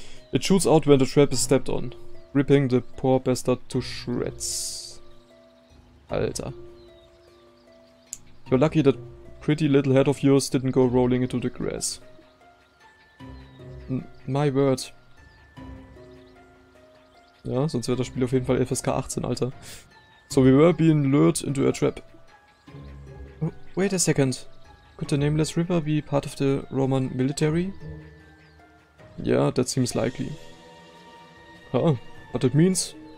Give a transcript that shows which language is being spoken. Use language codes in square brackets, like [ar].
[en] It shoots out when the trap is stepped on, ripping the poor bastard to shreds. Alter. You're lucky that pretty little head of yours didn't go rolling into the grass. My word. [de] Ja, sonst wäre das Spiel auf jeden Fall FSK 18, Alter. [en] So, we were being lured into a trap. Wait a second. Could the Nameless River be part of the Roman military? Yeah, that seems likely. Huh, what it means?